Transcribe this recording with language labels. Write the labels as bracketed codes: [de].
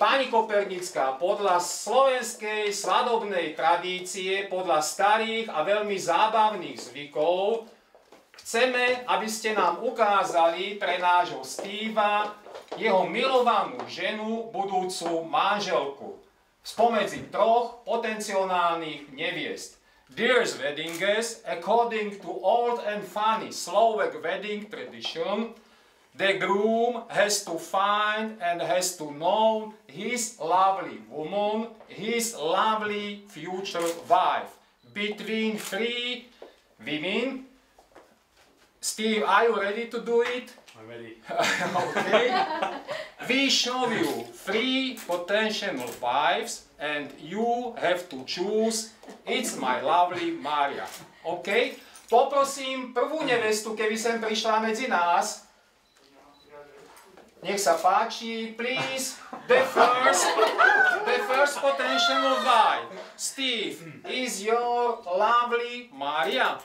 [sk] Podľa slovenskej svadobnej tradície, podľa starých a veľmi zábavných zvykov, chceme, aby ste nám ukázali pre nášho Steva jeho milovanú ženu, budúcu manželku, spomedzi troch potenciálnych neviest. [en] Dear wedding guests, according to old and funny Slovak wedding tradition, the groom has to find and has to know his lovely woman, his lovely future wife. Between three women. Steve, are you ready to do it? I'm ready. Okay. We show you three potential wives and you have to choose. It's my lovely Maria. Okay? [sk] Poprosím prvú nevestu, keby sem prišla medzi nás. Nech sa páči, [en] please, the first potential wife. Steve, is your lovely Maria?